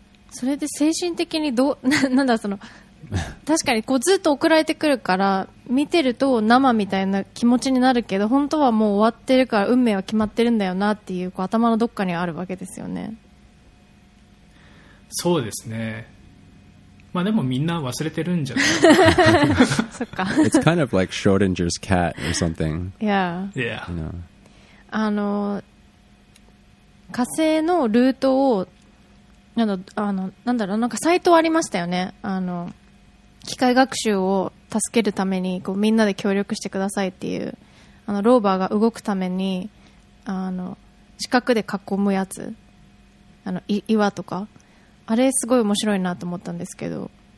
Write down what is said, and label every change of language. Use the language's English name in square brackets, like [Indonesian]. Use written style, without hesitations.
[Japanese] それで精神的にどう なんだその確かにこうずっと送られてくるから見てると生みたいな気持ちになるけど、本当はもう終わってるから運命は決まってるんだよなってい う, こう頭のどっかにあるわけですよね。そうですね。まあでもみんな忘れてるんじゃないそっか。 [English] It's kind of like Schrodinger's cat or something. Yeah. Yeah. You know. [Japanese] 火星のルートをなんだろう、なんかサイトありましたよね。機械学習を助けるためにこうみんなで協力してくださいっていう、ローバーが動くために四角で囲むやつ、岩とか、あれすごい面白いなと思ったんですけど。